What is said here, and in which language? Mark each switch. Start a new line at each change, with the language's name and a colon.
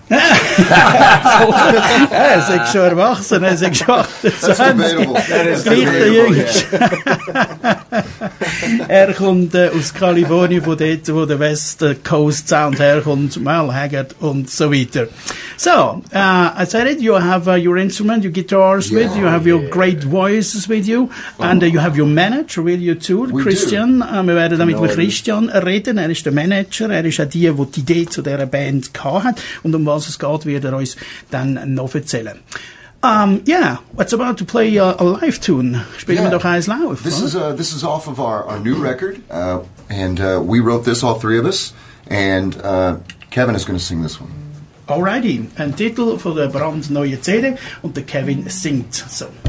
German: Er ist schon erwachsen, er ist schon 28. Das ist debatable.
English: Yeah.
German: Er kommt aus Kalifornien, von dort, wo der West Coast Sound herkommt, Merle Haggard und so weiter.
English: So, I said it, you have your instrument, your guitars with you, have your great voices with you, and you have your manager with you too, Christian.
German: Wir werden damit mit Christian reden, er ist der Manager, er ist auch der die Idee zu dieser Band hat, und um was es geht, wird er uns dann noch erzählen.
English: What's about to play a live tune?
German: Spielen wir doch eins live.
English: This is off of our new record, and we wrote this, all three of us, and Kevin is going to sing this one.
German: Alrighty, ein Titel für der brandneue CD und der Kevin singt so.